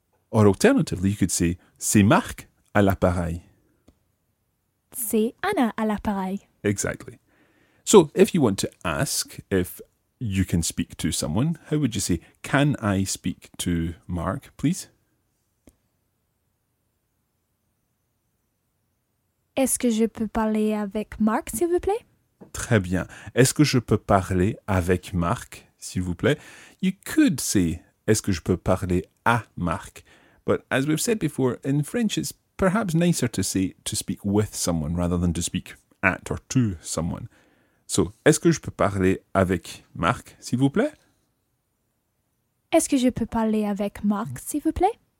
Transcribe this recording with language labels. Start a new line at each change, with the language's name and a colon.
English: Or alternatively, you could say,
French: c'est Marc à l'appareil. C'est Anna à l'appareil.
English: Exactly. So, if you want to ask if you can speak to someone, how would you say, can I speak to Marc, please?
French: Est-ce que je peux parler avec Marc, s'il vous plaît? Très bien. Est-ce que je peux parler avec Marc, s'il vous plaît?
English: You could say,
French: est-ce que je peux parler à Marc?
English: But as we've said before, in French, it's perhaps nicer to say to speak with someone rather than to speak at or to someone.
French: So, est-ce que je peux parler avec Marc, s'il vous plaît? Est-ce que je peux parler avec Marc, s'il vous plaît?